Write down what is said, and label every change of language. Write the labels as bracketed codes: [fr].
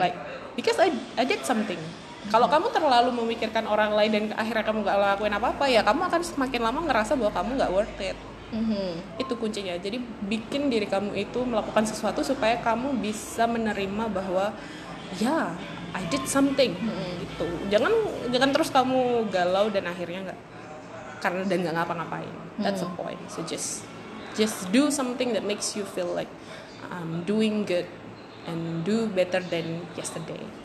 [en] Like because I did something. [id] Kalau kamu terlalu memikirkan orang lain dan akhirnya kamu gak lakuin apa-apa, ya kamu akan semakin lama ngerasa bahwa kamu gak worth it. Itu kuncinya. Jadi bikin diri kamu itu melakukan sesuatu supaya kamu bisa menerima bahwa ya, [en] yeah, I did something. [id] Gitu. Jangan terus kamu galau dan akhirnya gak, karena udah gak ngapa-ngapain. [en] That's the point. So just do something that makes you feel like I'm doing good and do better than yesterday.